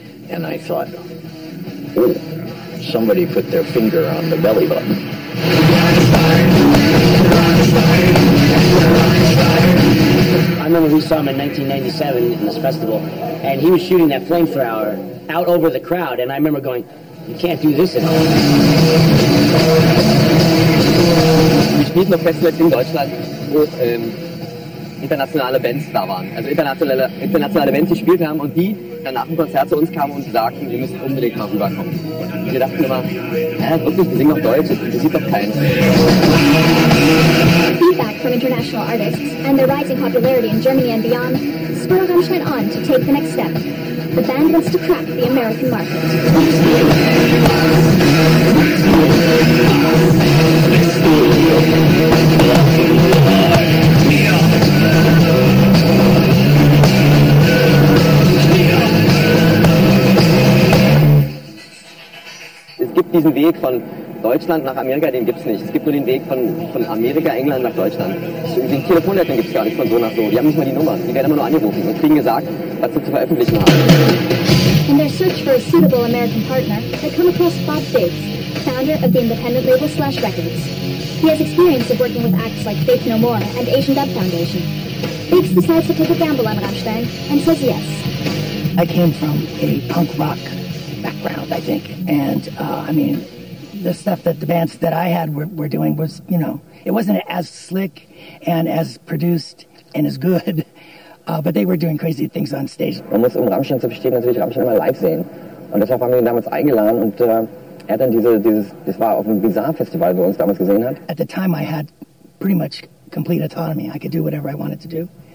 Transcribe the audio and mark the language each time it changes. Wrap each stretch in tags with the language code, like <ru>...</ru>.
<en>And I thought, oh, somebody put their finger on the belly button. I remember we saw him in 1997 in this festival, and he was shooting that flamethrower out over the crowd, and I remember going, you can't do this at all.</en> <de>We spielten auf Festivals in Deutschland, wo internationale Bands da waren, also internationale Bands gespielt haben, und die dann nach dem Konzert zu uns kamen und sagten, wir müssen unbedingt mal rüberkommen. Und wir dachten immer, wirklich, wir singen auf Deutsch, das interessiert doch keinen.</de> <en>Feedback from international artists and their rising popularity in Germany and beyond spur Rammstein on to take the next step. The band wants to crack the American market.</en> <de>Es gibt diesen Weg von Deutschland nach Amerika, den gibt es nicht. Es gibt nur den Weg von Amerika, England nach Deutschland. Den Telefonnetz gibt es gar nicht von so nach so. Die haben nicht mal die Nummer. Die werden immer nur angerufen und kriegen gesagt, was sie zu veröffentlichen haben.</de> <en>In their search for a suitable American partner, they come across Bob Biggs, founder of the independent label Slash Records. He has experience of working with acts like Faith No More and Asian Dub Foundation. Biggs decides to take a gamble on Rammstein and says yes. I came from a punk rock background, I think. And, I mean, the stuff that the bands that I had were doing was, you know, it wasn't as slick and as produced and as good, but they were doing crazy things on stage.</en> <de>Man muss, um Rammstein zu verstehen, natürlich Rammstein immer live sehen. Und deshalb haben wir ihn damals eingeladen und er hat dann das war auf dem Bizarre-Festival, wo er uns damals gesehen hat.</de> <en>At the time I had pretty much complete autonomy. I could do whatever I wanted to do.</en>